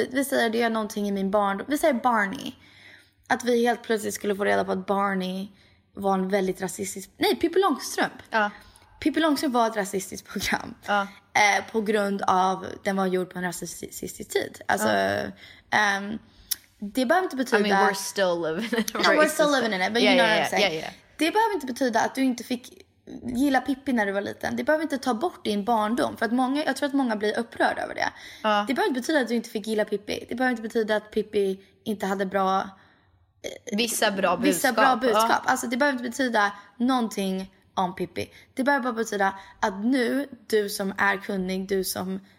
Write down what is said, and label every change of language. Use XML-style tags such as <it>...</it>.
<sv>Vi säger det är någonting i min barndom. Vi säger Barney. Att vi helt plötsligt skulle få reda på att Barney var en väldigt rasistisk... Nej, Pippi Långstrump. Ja. Pippi Långstrump var ett rasistiskt program. Ja. På grund av att den var gjord på en rasistisk tid. Alltså, det behöver inte betyda...</sv> <en>I mean, we're still living in it. We're still living in it, but you know what I'm saying.</en> <sv>Det behöver inte betyda att du inte fick gilla Pippi när du var liten. Det behöver inte ta bort din barndom. För att många, jag tror att många blir upprörda över det. Ja. Det behöver inte betyda att du inte fick gilla Pippi. Det behöver inte betyda att Pippi inte hade bra... Vissa bra budskap. Ja. Alltså det behöver inte betyda någonting om Pippi. Det behöver bara betyda att nu, du som är kunnig, du som</sv>